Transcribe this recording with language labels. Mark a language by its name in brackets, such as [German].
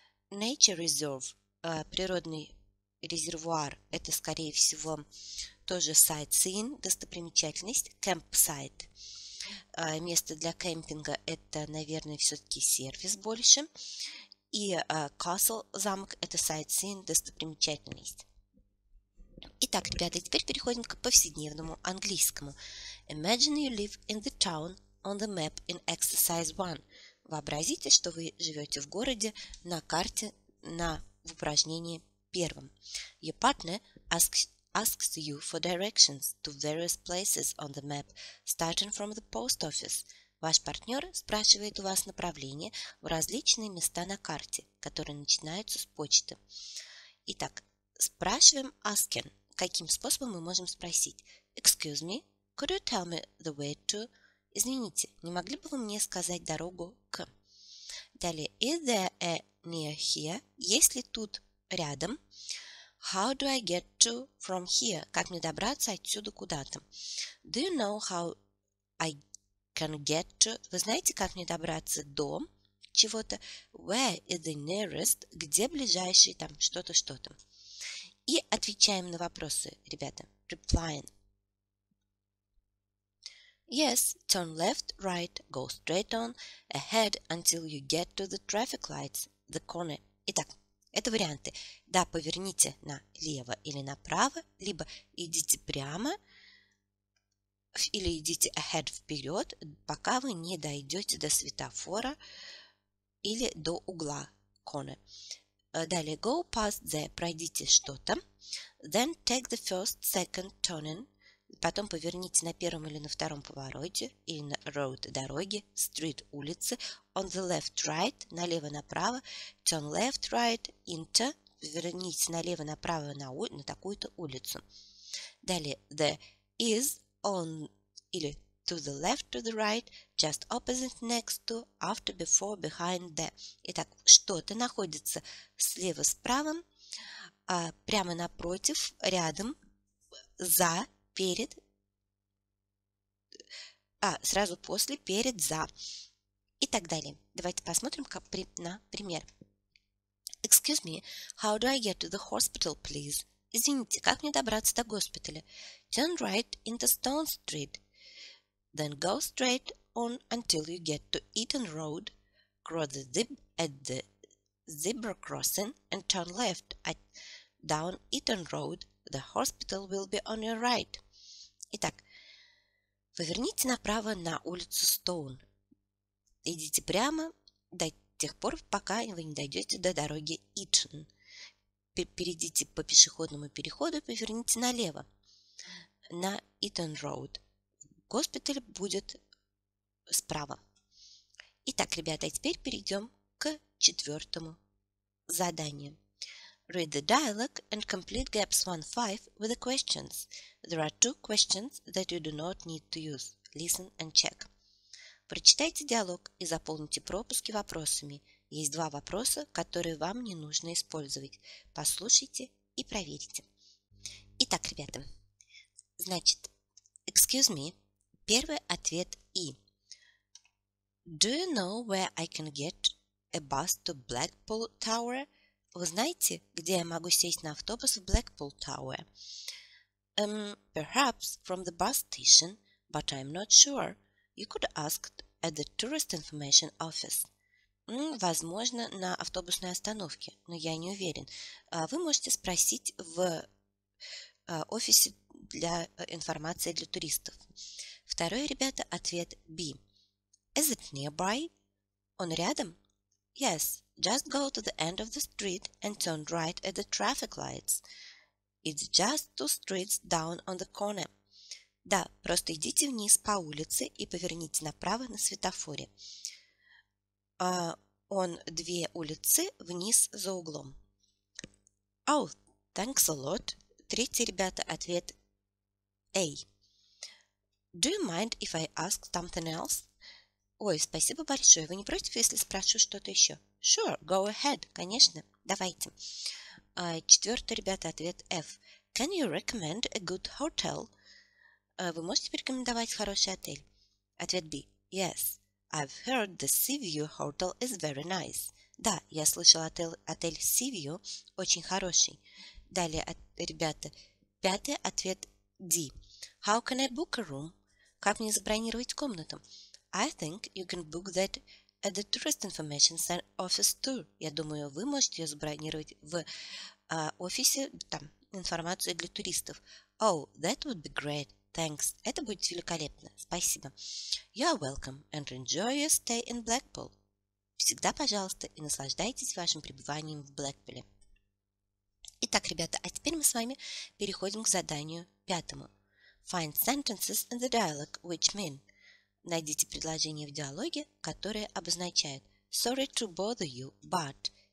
[English] Nature reserve, [Russian] природный резервуар, это, скорее всего, тоже [English] sightseeing, [Russian] достопримечательность. [English] Campsite, [Russian] место для кемпинга, это, наверное, все-таки сервис больше. И [English] castle, [Russian] замок, это [English] sightseeing, [Russian] достопримечательность. Итак, ребята, теперь переходим к повседневному английскому. [English] Imagine you live in the town on the map in exercise 1. [Russian] Вообразите, что вы живете в городе на карте в упражнении первом. [English] Your partner asks you for directions to various places on the map, starting from the post office. [Russian] Ваш партнер спрашивает у вас направление в различные места на карте, которые начинаются с почты. Итак, спрашиваем [English] asking. [Russian] Каким способом мы можем спросить? [English] Excuse me, could you tell me the way to? [Russian] Извините, не могли бы вы мне сказать дорогу к? Далее, [English] is there a near here? [Russian] Есть ли тут рядом? [English] How do I get to from here? [Russian] Как мне добраться отсюда куда-то? [English] Do you know how I can get to? [Russian] Вы знаете, как мне добраться до чего-то? [English] Where is the nearest? [Russian] Где ближайший там что-то? И отвечаем на вопросы, ребята. [English] Replying. Yes, turn left, right, go straight on, ahead until you get to the traffic lights, the corner. [Russian] Итак, это варианты. Да, поверните налево или направо, либо идите прямо, или идите [English] ahead [Russian] вперед, пока вы не дойдете до светофора или до угла [English] corner. [Russian] Далее, [English] go past the, [Russian] пройдите что-то. [English] Then take the first, second turning. [Russian] Потом поверните на первом или на втором повороте. [English] In road, [Russian] дороги, [English] street, [Russian] улицы. [English] On the left, right, [Russian] налево-направо. [English] Turn left, right, into. [Russian] Поверните налево-направо на такую-то улицу. Далее, [English] there is on [Russian] или [English] to the left, to the right, just opposite, next to, after, before, behind, there. [Russian] Итак, что-то находится слева, справа, прямо напротив, рядом, за, перед, сразу после, перед, за и так далее. Давайте посмотрим как на пример. [English] Excuse me, how do I get to the hospital, please? [Russian] Извините, как мне добраться до госпиталя? [English] Turn right into Stone Street. Then go straight on until you get to Eaton Road. Cross the at the zebra crossing and turn left at down Eaton Road. The hospital will be on your right. [Russian] Итак, поверните направо на улицу Стоун. Идите прямо до тех пор, пока вы не дойдете до дороги Итон. Перейдите по пешеходному переходу, поверните налево на Eaton Road. Госпиталь будет справа. Итак, ребята, а теперь перейдем к четвертому заданию. [English] Read the dialogue and complete gaps 1-5 with the questions. There are two questions that you do not need to use. Listen and check. [Russian] Прочитайте диалог и заполните пропуски вопросами. Есть два вопроса, которые вам не нужно использовать. Послушайте и проверите. Итак, ребята, значит, [English] excuse me, [Russian] первый ответ И. [English] Do you know where I can get a bus to Blackpool Tower? [Russian] Вы знаете, где я могу сесть на автобус в Blackpool Tower? [English] Perhaps from the bus station, but I'm not sure. You could ask at the tourist information office. [Russian] Возможно, на автобусной остановке, но я не уверен. Вы можете спросить в офисе для информации для туристов. Второй, ребята, ответ B. [English] Is it nearby? [Russian] Он рядом? [English] Yes, just go to the end of the street and turn right at the traffic lights. It's just two streets down on the corner. [Russian] Да, просто идите вниз по улице и поверните направо на светофоре. Он две улицы вниз за углом. [English] Oh, thanks a lot. [Russian] Третий, ребята, ответ A. [English] Do you mind if I ask something else? [Russian] Ой, спасибо большое. Вы не против, если спрошу что-то еще? [English] Sure, go ahead. [Russian] Конечно, давайте. Четвертый, ребята, ответ F. [English] Can you recommend a good hotel? [Russian] Вы можете порекомендовать хороший отель? Ответ B. [English] Yes. I've heard the Sea View Hotel is very nice. [Russian] Да, я слышал, отель Sea View очень хороший. Далее, ребята, пятый ответ D. [English] How can I book a room? [Russian] Как мне забронировать комнату? [English] I think you can book that at the Tourist Information Center office too. [Russian] Я думаю, вы можете ее забронировать в офисе, там, информацию для туристов. [English] Oh, that would be great. Thanks. [Russian] Это будет великолепно. Спасибо. [English] You are welcome and enjoy your stay in Blackpool. [Russian] Всегда пожалуйста и наслаждайтесь вашим пребыванием в Блэкпуле. Итак, ребята, а теперь мы с вами переходим к заданию пятому. [English] Find sentences in the dialogue which mean. [Russian] Найдите предложения в диалоге, которые обозначают [English] sorry to bother you, but...